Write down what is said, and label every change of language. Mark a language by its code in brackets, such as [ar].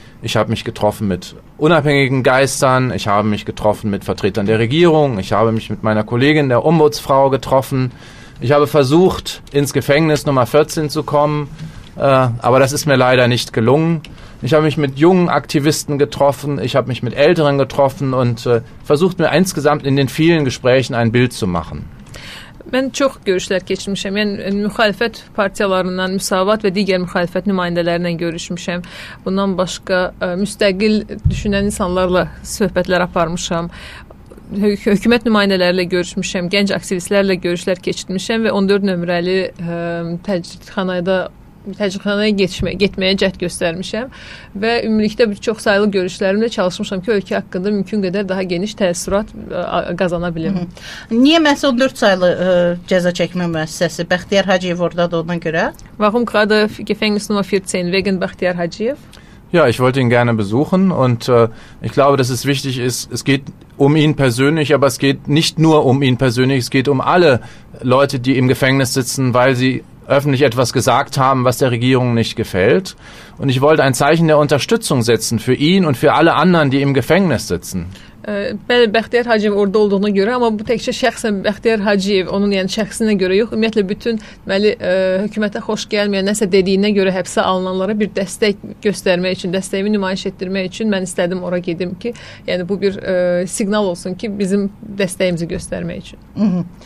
[de] Ich habe mich getroffen mit unabhängigen Geistern, ich habe mich getroffen mit Vertretern der Regierung, ich habe mich mit meiner Kollegin, der Ombudsfrau, getroffen. Ich habe versucht, ins Gefängnis Nummer 14 zu kommen, aber das ist mir leider nicht gelungen. Ich habe mich mit jungen Aktivisten getroffen, ich habe mich mit älteren getroffen und versucht mir insgesamt in den vielen Gesprächen ein Bild zu machen. [az] Mən çox görüşlər keçmişəm. Yəni, müxalifət partiyalarından, müsavat və digər müxalifət nümayəndələrindən görüşmüşəm. Bundan başqa müstəqil düşünən insanlarla söhbətlər aparmışam. Hökumət nümayəndələrlə görüşmüşəm, gənc aktivistlərlə görüşlər keçirmişəm və 14 nömrəli təcridxanaya getməyə cəhd göstərmişəm və ümumilikdə bir çox saylı görüşlərimlə çalışmışam ki, ölkə haqqında mümkün qədər daha geniş təəssürat qazana bilim. Niyə məhz 14 saylı cəza çəkmə müəssisəsi? Bəxtiyar Hacıyev oradadır ona görə? [de] Warum gerade Gefängnis Nummer 14 wegen Bəxtiyar Hacıyev? Ja, ich wollte ihn gerne besuchen und ich glaube, dass es wichtig ist, es geht um ihn persönlich, aber es geht nicht nur um ihn persönlich, es geht um alle Leute, die im Gefängnis sitzen, weil sie öffentlich etwas gesagt haben, was der Regierung nicht gefällt. Und ich wollte ein Zeichen der Unterstützung setzen für ihn und für alle anderen, die im Gefängnis sitzen. [az] Bəli, Bəxtiyar Hacıyev orada olduğuna görə, amma bu təkcə şəxsən Bəxtiyar Hacıyev, onun yəni şəxsinə görə yox, ümumiyyətlə bütün deməli, hökumətə xoş gəlməyən nəsə dediyinə görə həbsə alınanlara bir dəstək göstərmək üçün, dəstəyimi nümayiş etdirmək üçün mən istədim ora gedim ki, yəni bu bir siqnal olsun ki, bizim dəstəyimizi göstərmək üçün.